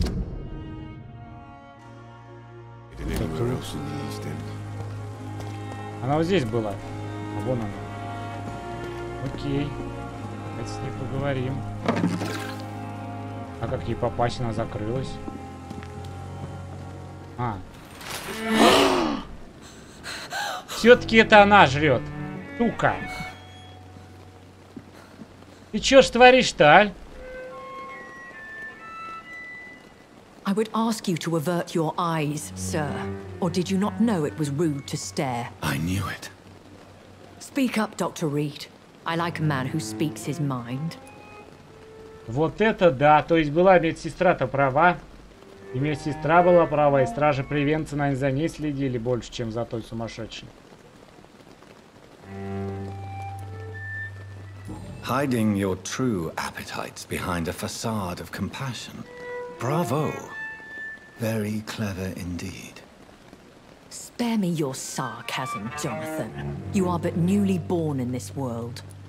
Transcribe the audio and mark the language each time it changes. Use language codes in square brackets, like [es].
[en] Than anywhere else in the East End. [ru] Она вот здесь была. А вон она. Окей. Давайте с ней поговорим. А как ей попасть, она закрылась. А. Все-таки это она жрет. Сука. Ты че ж творишь-то, а? [en] I would ask you to avert your eyes, sir. Or did you not know it was rude to stare? I knew it. Speak up, Dr. Reed. I like a man who speaks his mind. [ru] Вот это да, то есть была медсестра-то права. И медсестра была права, и стражи превенции, наверное, за ней следили больше, чем за той сумасшедшей. [en] Hiding your true appetites behind a facade of compassion. Bravo. Very clever indeed. Spare me your sarcasm, Jonathan. You are but newly born in this world.